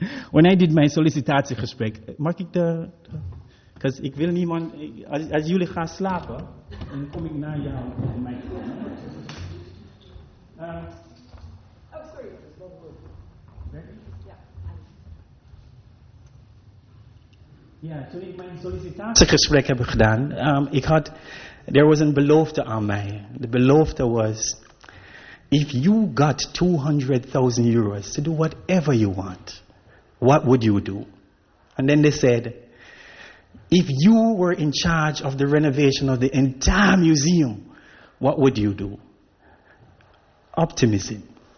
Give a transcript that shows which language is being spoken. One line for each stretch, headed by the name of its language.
English: When I did my sollicitatiegesprek,
Dutch: mag ik de...
English: Because I will not, as you will sleep.
Dutch: En dan kom ik naar jou op de microfoon. Ja, toen ik mijn sollicitatiegesprek heb gedaan, er was een belofte aan mij. De belofte was,
English: if you got 200.000 euros to do whatever you want, what would you do? And then they said, if you were in charge of the renovation of the entire museum, what would you do? Optimism.